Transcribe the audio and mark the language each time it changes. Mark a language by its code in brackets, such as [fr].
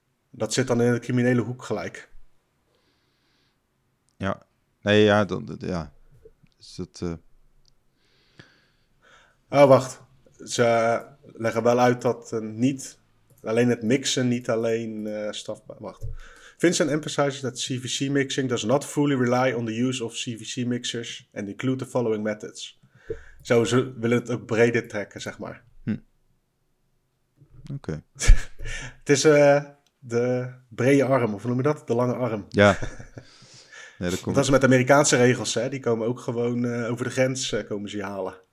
[nl] Dat zit dan in de criminele hoek gelijk. Ja. Nee, ja, dan, ja. Is dat, Oh, wacht. Ze leggen wel uit dat niet alleen het mixen, niet alleen strafbaar. Wacht. [en] FinCEN emphasizes that CVC mixing does not fully rely on the use of CVC mixers and include the following methods. [nl] Zo, ze willen het ook breder trekken, zeg maar. Hm. Oké. Okay. Het is de brede arm, of noem je dat? De lange arm. Ja. Nee, dat is met Amerikaanse regels, hè? Die komen ook gewoon over de grens, komen ze halen.